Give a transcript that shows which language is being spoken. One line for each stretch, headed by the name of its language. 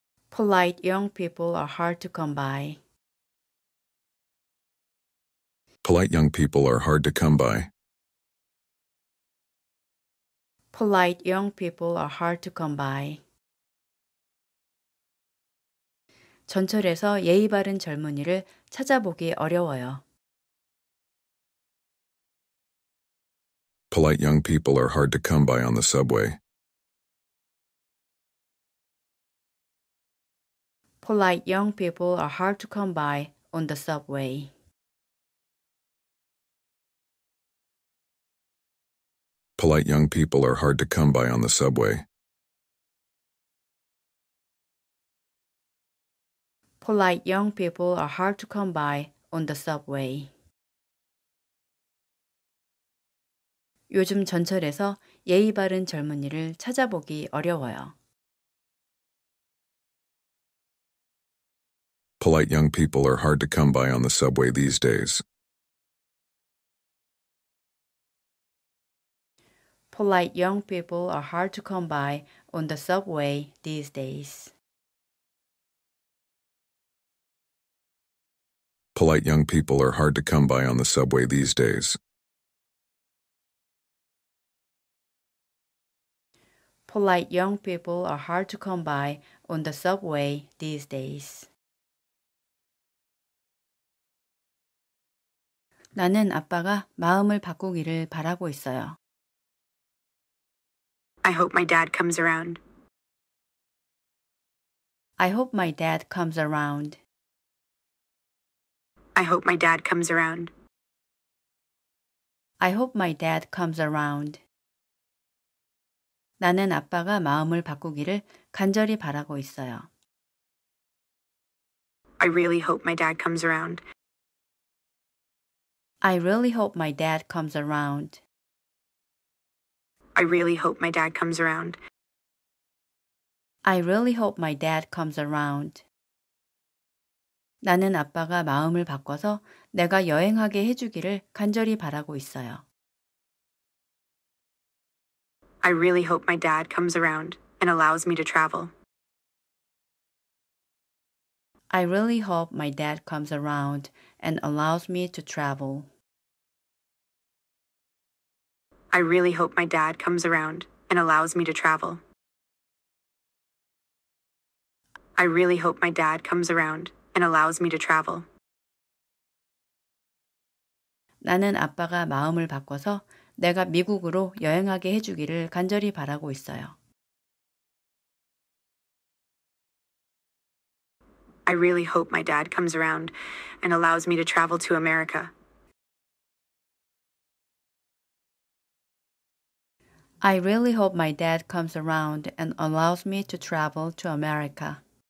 English: Polite young people are hard to come by. Polite young people are hard to come by. Polite young people are hard to come by.
Korean: 전철에서 예의 바른 젊은이를 찾아보기 어려워요.
English: Polite young people are hard to come by on the subway. Polite young people are hard to come by on the subway. Polite young people are hard to come by on the subway. Polite young people are hard to come by on the subway.
Korean: 요즘 전철에서 예의 바른 젊은이를 찾아보기 어려워요.
English: Polite young people are hard to come by on the subway these days. Polite young people are hard to come by on the subway these days. Polite young people are hard to come by on the subway these days. Polite young people are hard to come by on the subway these days.
Korean: 나는 아빠가 마음을 바꾸기를 바라고 있어요.
English: I hope my dad comes around. I hope my dad comes around. I hope my dad comes around. I hope my dad comes around.
Korean: 나는 아빠가 마음을 바꾸기를 간절히 바라고 있어요.
English: I really hope my dad comes around. I really hope my dad comes around. I really hope my dad comes around. I really hope my dad comes around.
Korean: 나는 아빠가 마음을 바꿔서 내가 여행하게 해주기를 간절히 바라고 있어요.
English: I really hope my dad comes around and allows me to travel. I really hope my dad comes around and allows me to travel. I really hope my dad comes around and allows me to travel. I really hope my dad comes around and allows me to travel.
Korean: 나는 아빠가 마음을 바꿔서 내가 미국으로 여행하게 해주기를 간절히 바라고 있어요.
English: I really hope my dad comes around and allows me to travel to America. I really hope my dad comes around and allows me to travel to America.